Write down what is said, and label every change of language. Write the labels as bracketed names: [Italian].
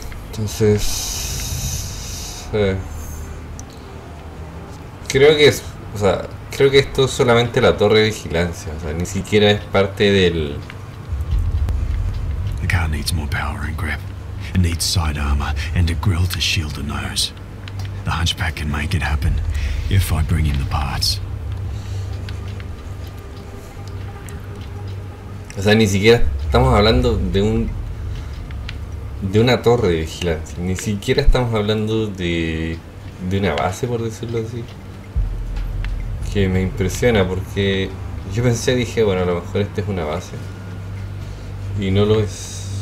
[Spanish] Entonces, creo que esto es solamente la torre de vigilancia, o sea, ni siquiera es parte del. [English] The car needs more power and grip. It needs side armor and a grill to shield the nose. The Hunchback can make it happen if I bring him the parts. [Spanish] O sea, ni siquiera estamos hablando de una torre de vigilancia. Ni siquiera estamos hablando de una base, por decirlo así. Que me impresiona porque yo pensé, dije, bueno, a lo mejor esta es una base. Y no lo es.